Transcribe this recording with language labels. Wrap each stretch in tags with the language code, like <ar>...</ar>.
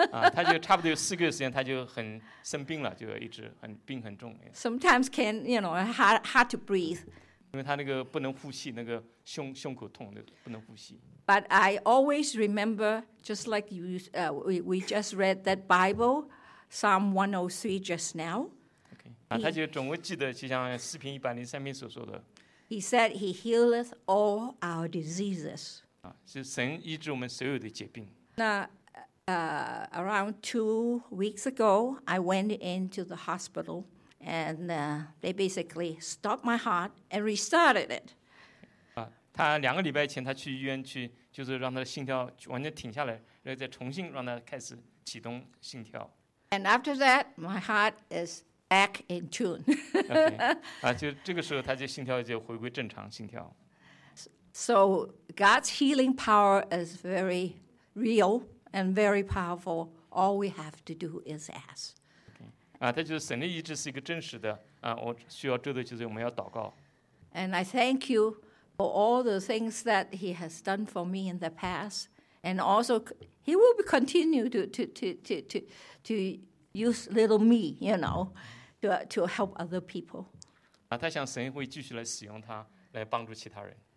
<zh>他就差不多有四个月时间，他就很生病了，就一直很病很重。</zh> <en>Sometimes can, you know, hard to breathe.</en> <zh>因为他那个不能呼吸，那个胸口痛，不能呼吸。</zh> <en>But I always remember, just like you, we just read that Bible, Psalm 103 just now.</en> <zh>他就总会记得，就像诗篇一百零三篇所说的。</zh> <en>He said he healeth all our diseases.</en> <zh>是神医治我们所有的疾病。</zh> <en>那around 2 weeks ago, I went into the hospital, and they basically stopped my heart and restarted it.</en> <zh>他两个礼拜前他去医院去，就是让他的心跳完全停下来，然后再重新让他开始启动心跳。</zh> <en>And after that, my heart is. Back in tune. okay.</en> <zh>就这个时候，他就心跳就回归正常心跳。</zh> <en>So God's healing power is very real and very powerful. All we have to do is ask. Okay.</en> <zh>他就是神的医治是一个真实的我需要这对就是我们要祷告。</zh> <en>And I thank you for all the things that he has done for me in the past, and also he will continue to use little me, you know, to help other people.</en> <zh>他想神会继续来使用他，来帮助其他人。</zh>